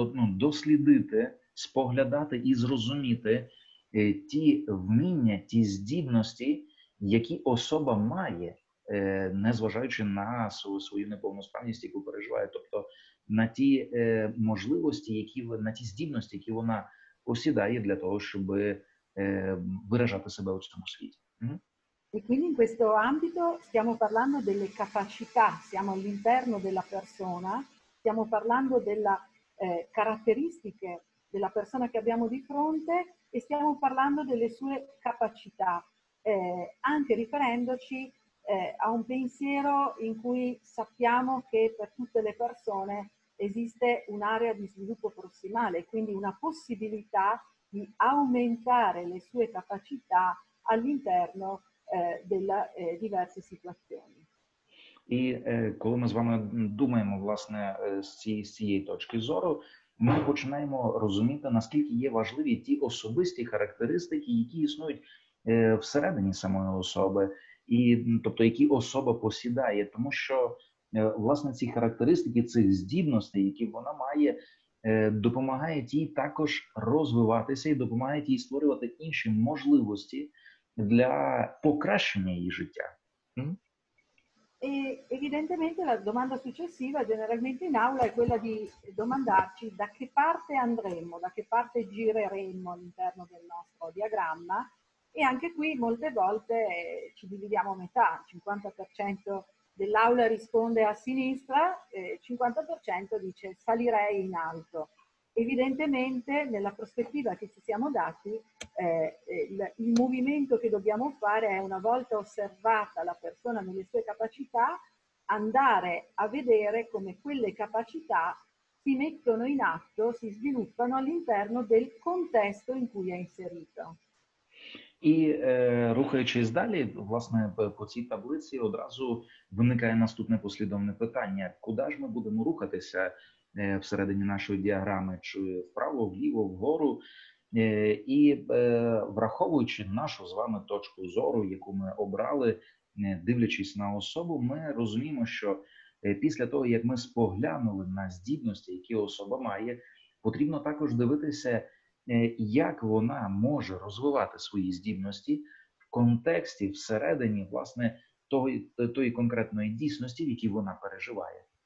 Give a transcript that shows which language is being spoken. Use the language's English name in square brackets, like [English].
[Ukrainian] дослідити, споглядати і зрозуміти ті вміння, ті здібності, які особа має, незважаючи на свою неповносправність, яку переживає, тобто на ті можливості, на ті здібності, які вона посідає для того, щоб виражати себе у цьому світі. [Italian] E quindi in questo ambito stiamo parlando delle capacità, siamo all'interno della persona, stiamo parlando delle caratteristiche della persona che abbiamo di fronte e stiamo parlando delle sue capacità, anche riferendoci a un pensiero in cui sappiamo che per tutte le persone esiste un'area di sviluppo prossimale, quindi una possibilità di aumentare le sue capacità all'interno delle diverse situazioni. [Ukrainian] І коли ми з вами думаємо, власне, з цієї точки зору, ми починаємо розуміти, наскільки є важливі ті особисті характеристики, які існують всередині самої особи, і, тобто, які особа посідає, тому що, власне, ці характеристики, цих здібностей, які вона має, допомагають їй також розвиватися і допомагають їй створювати інші можливості для покращення її життя. [Italian] E evidentemente la domanda successiva, generalmente in aula, è quella di domandarci da che parte andremo, da che parte gireremo all'interno del nostro diagramma, e anche qui molte volte ci dividiamo a metà, 50% dell'aula risponde a sinistra, 50% dice salirei in alto. Evidentemente nella prospettiva che ci siamo dati, il movimento che dobbiamo fare è, una volta osservata la persona nelle sue capacità, andare a vedere come quelle capacità si mettono in atto, si sviluppano all'interno del contesto in cui è inserito. [Ukrainian] І рухаючись далі, власне, по цій таблиці одразу виникає наступне послідовне питання. Куди ж ми будемо рухатися всередині нашої діаграми? Чи вправо, вліво, вгору? І враховуючи нашу з вами точку зору, яку ми обрали, дивлячись на особу, ми розуміємо, що після того, як ми споглянули на здібності, які особа має, потрібно також дивитися, як вона може розвивати свої здібності в контексті, всередині, власне, тої конкретної дійсності, в якій вона переживає.